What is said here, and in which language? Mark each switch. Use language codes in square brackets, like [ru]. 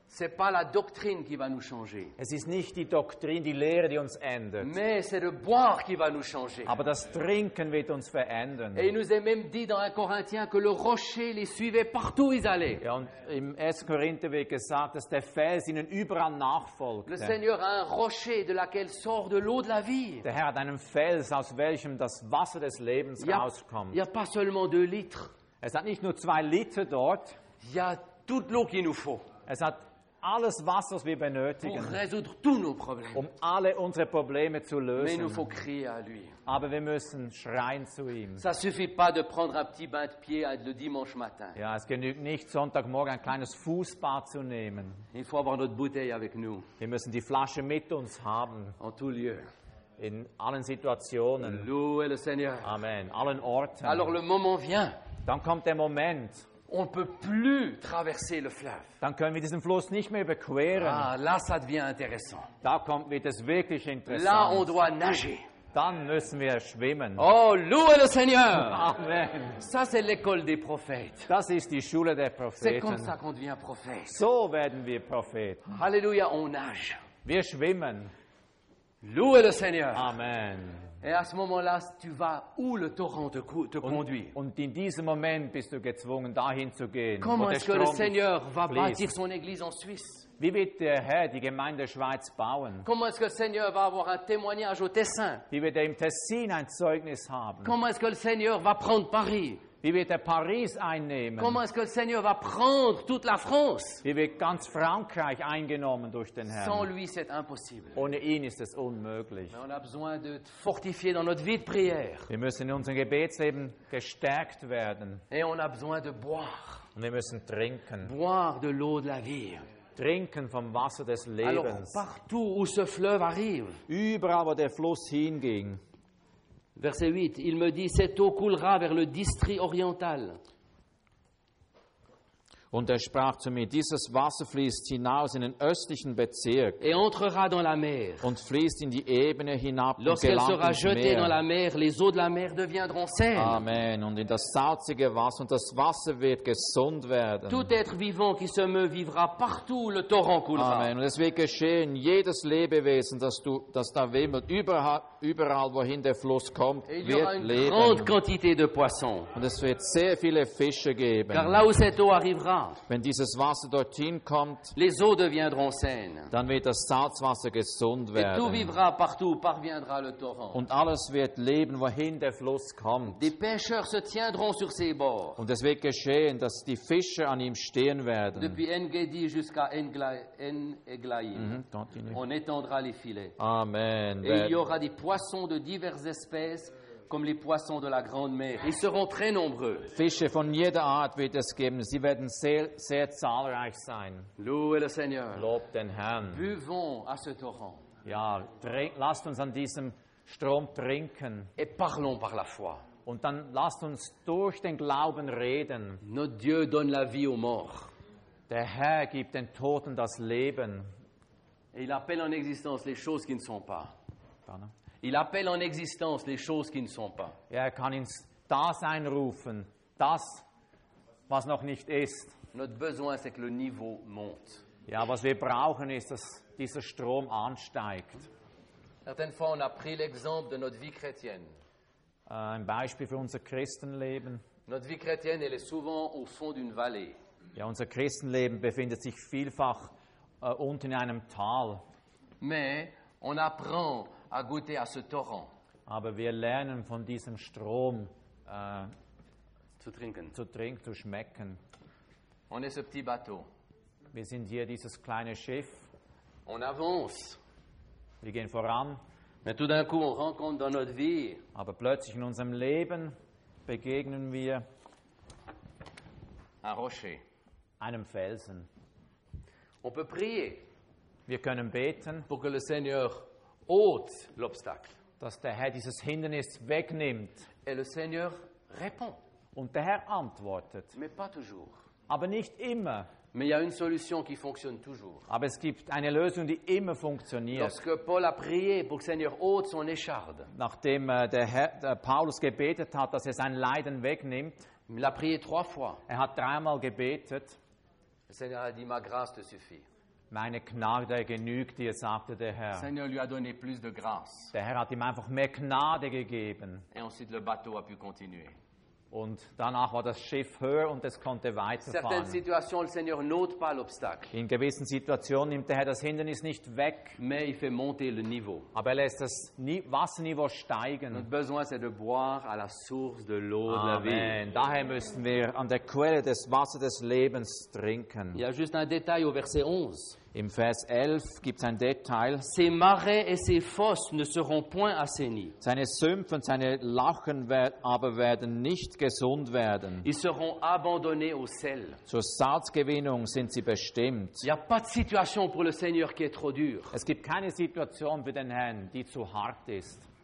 [fr] C'est pas la doctrine qui va nous changer. [de] Es ist nicht die Doktrin, die Lehre, die uns ändert. [fr] Mais c'est le boire qui va nous changer. [de] Aber das Trinken wird uns verändern. [fr] Et il nous est même dit dans 1 Corinthiens que le rocher les suivait partout où ils allaient. [de] Ja, und im 1. Korinther wird gesagt, dass der Fels ihnen überall nachfolgte. [fr] Le Seigneur a un rocher de laquelle sort de l'eau de la vie. [de] Der Herr hat einen Fels, aus welchem das Wasser des Lebens rauskommt. [fr] Il n'y a pas seulement 2 litres. [de] Es hat nicht nur 2 Liter dort. [fr] Il y a toute l'eau qu'il nous faut. [de] Es hat alles Wasser, was wir benötigen, [fr] pour résoudre tous nos problèmes. [de] Um alle unsere Probleme zu lösen. [fr] Mais nous faut crier à lui. [de] Aber wir müssen schreien zu ihm. [fr] Ça suffit pas de prendre un petit bain de pied le dimanche matin. [de] Ja, es genügt nicht, Sonntagmorgen ein kleines Fußbad zu nehmen. [fr] Il faut avoir notre bouteille avec nous. [de] Wir müssen die Flasche mit uns haben. [fr] En tout lieu. [de] In allen Situationen. [fr] Louez le Seigneur. [de] Amen. Allen Orten. [fr] Alors le moment vient. [de] Dann kommt der Moment. [fr] On peut plus traverser le fleuve. [de] Dann können wir diesen Fluss nicht mehr überqueren. [fr] Ah, là, ça devient intéressant. [de] Da kommt, wird es wirklich interessant. [fr] Là, on doit nager. [de] Dann müssen wir schwimmen. [fr] Oh, louez le Seigneur. [de] Amen. [fr] Ça, c'est l'école des prophètes. [de] Das ist die Schule der Propheten. [fr] C'est comme ça qu'on devient prophète. [de] So werden wir Propheten. [fr] Halleluja, on nage. [de] Wir schwimmen. [fr] Louez le Seigneur. [de] Amen. [fr] Et à ce moment-là, tu vas où le torrent te, te conduit. [de] Und in diesem Moment bist du gezwungen, dahin zu gehen. [fr] Comment [de] wo [fr] est-ce que le Seigneur va bâtir son église en Suisse? [de] Wie wird der Herr die Gemeinde Schweiz bauen? [fr] Comment est-ce que le Seigneur va avoir un témoignage au Tessin? [de] Wie wird er im Tessin ein Zeugnis haben? [fr] Comment est-ce que le Seigneur va prendre Paris? [de] Wie wird er Paris einnehmen? [fr] Comment est-ce que le Seigneur va prendre toute la France? [de] Wie wird ganz Frankreich eingenommen durch den Herrn? [fr] Sans lui, c'est impossible. [de] Ohne ihn ist es unmöglich. [fr] Mais on a besoin de fortifier dans notre vie de prière. [de] Wir müssen in unserem Gebetsleben gestärkt werden. [fr] Et on a besoin de boire. [de] Und wir müssen trinken. [fr] Boire de l'eau de la vie. [de] Trinken vom Wasser des Lebens. [fr] Alors, partout où ce fleuve arrive. [de] Überall, wo der Fluss hinging. [fr] Verset 8, il me dit, cette eau coulera vers le district oriental. [de] Und er sprach zu mir, dieses Wasser fließt hinaus in den östlichen Bezirk. [fr] Et entrera dans la mer. [de] Und fließt in die Ebene hinab. [fr] Lorsqu'elle sera jetée dans la mer, les eaux de la mer deviendront saines. Amen. [de] Und in das salzige Wasser, und das Wasser wird gesund werden. [fr] Tout être vivant qui se meut vivra partout où le torrent coulera. Amen. [de] Und es wird geschehen, jedes Lebewesen, das da wimmelt, überall wohin der Fluss kommt, wird leben. [fr] Il y aura une grande quantité de poissons. [de] Und es wird sehr viele Fische geben. [fr] Car là où cette eau arrivera, [de] wenn dieses Wasser dorthin kommt, [fr] les eaux deviendront saines. [de] Dann wird das Salzwasser gesund werden. [fr] Et tout vivra partout, parviendra le torrent. [de] Und alles wird leben, wohin der Fluss kommt. [fr] Des pêcheurs se tiendront sur ses bords. [de] Und es wird geschehen, dass die Fischer an ihm stehen werden. [fr] Depuis En-Gedi jusqu'à En-Eglaïm. On étendra les filets. Amen. Et il y aura des poissons de diverses espèces. Comme les poissons de la grande mer, ils seront très nombreux. [de] Fische von jeder Art wird es geben. Sie werden sehr, sehr zahlreich sein. [fr] Louez le Seigneur. [de] Lob den Herrn. [fr] Buvons à ce torrent. [de] Ja, lasst uns an diesem Strom trinken. [fr] Et parlons par la foi. [de] Und dann lasst uns durch den Glauben reden. [fr] Notre Dieu donne la vie aux morts. [de] Der Herr gibt den Toten das Leben. [fr] Et il appelle en existence les choses qui ne sont pas. Il appelle en existence les choses qui ne sont pas. [de] Ja, er kann ins Dasein rufen, das, was noch nicht ist. [fr] Notre besoin, c'est que le niveau monte. [de] Ja, was wir brauchen, ist, dass dieser Strom ansteigt. [fr] Certaines fois, on a pris l'exemple de notre vie chrétienne. [de] Ein Beispiel für unser Christenleben. [fr] Notre vie chrétienne, elle est souvent au fond d'une vallée. [de] Ja, unser Christenleben befindet sich vielfach unten in einem Tal. [fr] Mais on apprend à goûter à ce torrent. [de] Aber wir lernen von diesem Strom zu trinken. Zu trinken, zu schmecken. [fr] On est ce petit bateau. [de] Wir sind hier dieses kleine Schiff. [fr] On avance. [de] Wir gehen voran. [fr] Mais tout d'un coup, on rencontre dans notre vie. [de] Aber plötzlich in unserem Leben begegnen wir [fr] un rocher. [de] Einem Felsen. [fr] On peut prier. [de] Wir können beten. [fr] Pour que le Seigneur ôte l'obstacle. [de] Dass der Herr dieses Hindernis wegnimmt. [fr] Et le Seigneur répond. [de] Und der Herr antwortet. [fr] Mais pas toujours. [de] Aber nicht immer. [fr] Mais il y a une solution qui fonctionne toujours. [de] Aber es gibt eine Lösung, die immer funktioniert. [fr] Lorsque Paul a prié pour que le Seigneur ôte son écharde. [de] Nachdem der Paulus gebetet hat, dass er sein Leiden wegnimmt. [fr] Il a prié trois fois. [de] Er hat dreimal gebetet. [fr] Le Seigneur a dit, ma grâce te suffit. [de] Meine Gnade genügt dir, sagte der Herr. [fr] Le Seigneur lui a donné plus de grâce. [de] Der Herr hat ihm einfach mehr Gnade gegeben. [fr] Et ensuite le bateau a pu continuer. [de] Und danach war das Schiff höher und es konnte weiterfahren. [fr] Certaines situations, le Seigneur n'ôte pas l'obstacle. [de] In gewissen Situationen nimmt der Herr das Hindernis nicht weg. [fr] Mais il fait monter le niveau. [de] Aber er lässt das Wasserniveau steigen. [fr] Notre besoin, c'est de boire à la source de l'eau Amen. De la vie. [de] Daher müssen wir an der Quelle des Wassers des Lebens trinken. [fr] Il y a juste un détail au verset 11. [de] Im Vers 11 gibt es ein Detail. [fr] Ses marais et ses fosses ne seront point assainis. [de] Seine Sümpfe und seine Lachen werden nicht gesund werden. [fr] Ils seront abandonnés au sel. [de] Zur Salzgewinnung sind sie bestimmt. [fr] Il y a pas de situation pour le Seigneur qui est trop dure. [de] Es gibt keine Situation für den Herrn, die zu hart ist.